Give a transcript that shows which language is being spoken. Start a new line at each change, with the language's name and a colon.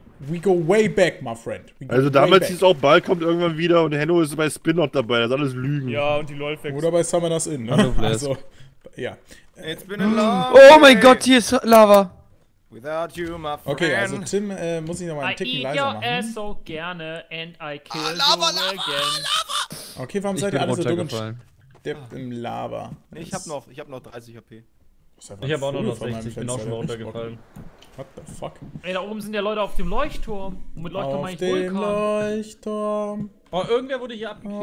English: We go way back, my friend.
German: Also damals hieß es auch, Ball kommt irgendwann wieder und Henno ist bei Spin-Off dabei, das ist alles Lügen. Ja, und die LOL-Facts. Oder bei Summoners Inn, ne? Also, ja.
English: It's been a long way.
German: Oh mein Gott, hier ist Lava.
English: Without you, my friend.
German: Okay, also Tim muss ich nochmal einen Ticken leiser machen.
English: I eat your ass
German: so gerne
English: and I kill you again.
German: Lava! Okay, warum seid ihr alle so dumm und steppt im Lava? Nee, ich hab noch 30 HP. Ich hab auch noch 60, bin auch schon mal runtergefallen.
English: What the fuck?
German: Ey, da oben sind ja Leute auf dem Leuchtturm. Und mit Leuchtturm meine ich Vulkan. Auf dem Leuchtturm. Oh, irgendwer wurde hier abgeknallt.